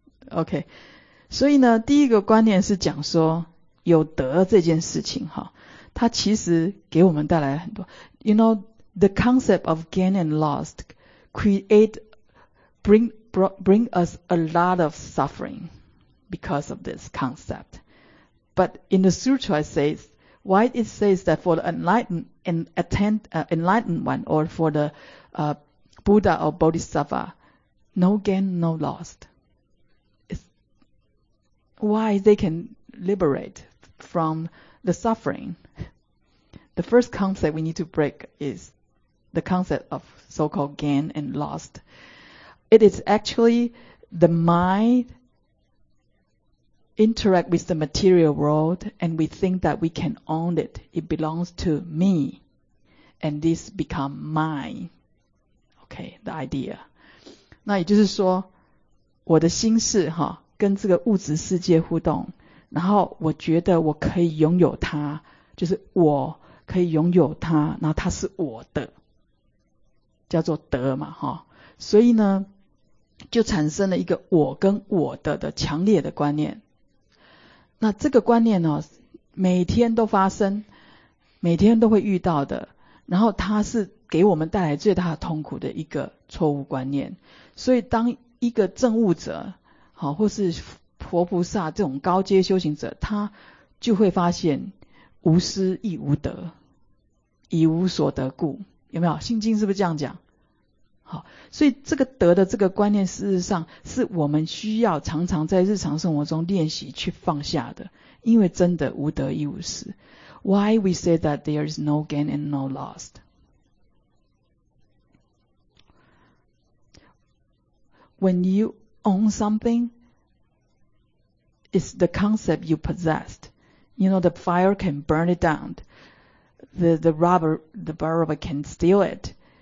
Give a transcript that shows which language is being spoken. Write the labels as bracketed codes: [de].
[zh] okay, 所以呢，第一个观念是讲说有德这件事情哈，它其实给我们带来很多。 [en] You know, the concept of gain and loss bring us a lot of suffering because of this concept. But in the sutra, it says. Why it says that for the enlightened one or for the Buddha or Bodhisattva, no gain, no loss. Why they can liberate from the suffering? The first concept we need to break is the concept of so-called gain and loss. It is actually the mind... interact with the material world and we think that we can own it. It belongs to me. and this become mine. Okay, the idea. [zh] 那也就是说，我的心事哈，跟这个物质世界互动，然后我觉得我可以拥有它，就是我可以拥有它，然后它是我的，叫做得嘛哈。所以呢，就产生了一个我跟我的强烈的观念。那这个观念呢，每天都发生，每天都会遇到的，然后它是给我们带来最大的痛苦的一个错误观念。所以当一个证悟者好，或是佛菩萨这种高阶修行者，他就会发现无失亦无得，以无所得故，有没有？心经是不是这样讲？好，所以这个得的这个观念，事实上是我们需要常常在日常生活中练习去放下的，因为真的无得亦无失。 [en] Why we say that there is no gain and no lost? When you own something, it's the concept you possessed. You know, the fire can burn it down. The borrower can steal it.